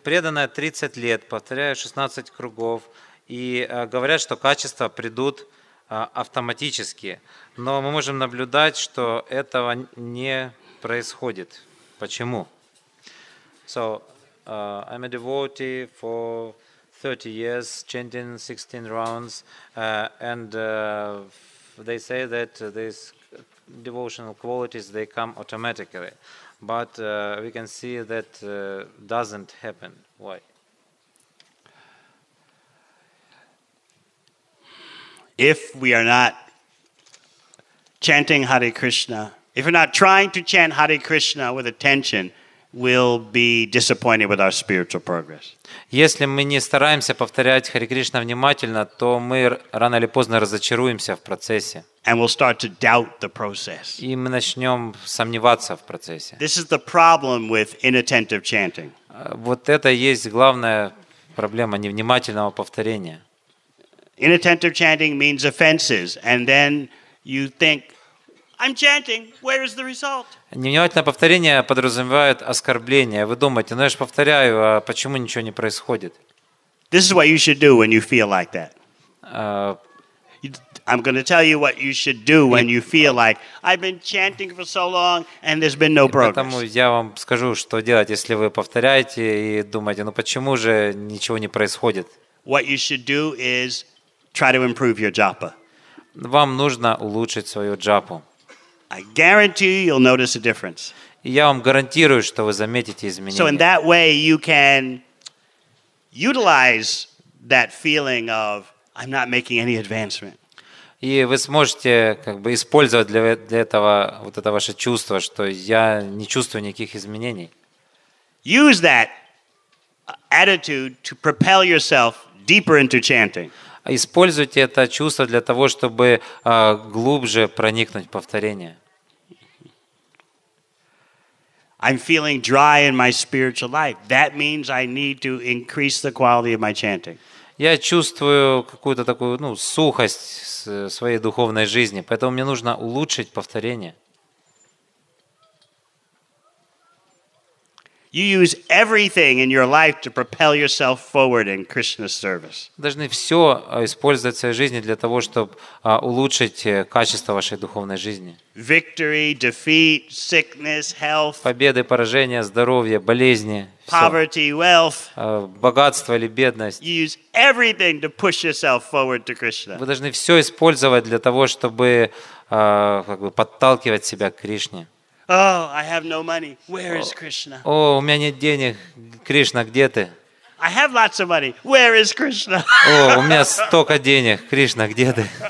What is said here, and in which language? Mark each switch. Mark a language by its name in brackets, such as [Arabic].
[Russian] Преданная 30 лет, повторяю 16 кругов, и говорят, что качества придут автоматически. Но мы можем наблюдать, что этого не происходит. Почему? [English] So, I'm a devotee for 30 years, chanting 16 rounds, and they say that these devotional qualities, they come automatically. But we can see that doesn't happen. Why? If we are not chanting Hare Krishna, if we're not trying to chant Hare Krishna with attention, we'll be disappointed with our spiritual progress. [Russian] Если мы не стараемся повторять Харе Кришна внимательно, то мы рано или поздно разочаруемся в процессе. [English] And we'll start to doubt the process. [Russian] И мы начнем сомневаться в процессе. [English] This is the problem with inattentive chanting. [Russian] Вот это есть главная проблема невнимательного повторения. [English] Inattentive chanting means offenses, and then you think, I'm chanting. Where is the result? [Russian] Невнимательное повторение подразумевает оскорбление. Вы думаете, ну я же повторяю, а почему ничего не происходит? [English] This is what you should do when you feel like that. I'm going to tell you what you should do when you feel like I've been chanting for so long and there's been no progress. [Russian] Поэтому я вам скажу, что делать, если вы повторяете и думаете, ну почему же ничего не происходит? [English] What you should do is try to improve your japa. [Russian] Вам нужно улучшить свою джапу. [English] I guarantee you'll notice a difference. [Russian] Я вам гарантирую, что вы заметите изменения. [English] So in that way you can utilize that feeling of I'm not making any advancement. [Russian] И вы сможете как бы использовать для этого вот это ваше чувство, что я не чувствую никаких изменений. [English] Use that attitude to propel yourself deeper into chanting. [Russian] Используйте это чувство для того, чтобы глубже проникнуть в повторение. [English] I'm feeling dry in my spiritual life. That means I need to increase the quality of my chanting. [Russian] Я чувствую какую-то такую, ну, сухость своей духовной жизни, поэтому мне нужно улучшить повторение. [English] You use everything in your life to propel yourself forward in Krishna's service. [Russian] Должны все использовать в своей жизни для того, чтобы улучшить качество вашей духовной жизни. [English] Victory, defeat, sickness, health. [Russian] Победы, поражения, здоровье, болезни. [English] Poverty, wealth. [Russian] Богатство или бедность. [English] You use everything to push yourself forward to Krishna. [Russian] Вы должны все использовать для того, чтобы как бы подталкивать себя к Кришне. [English] Oh, I have no money. Where is Krishna? [Russian] О, у меня нет денег. Кришна, где ты? [English] I have lots of money. Where is Krishna? [Russian] О, у меня столько денег. Кришна, где ты?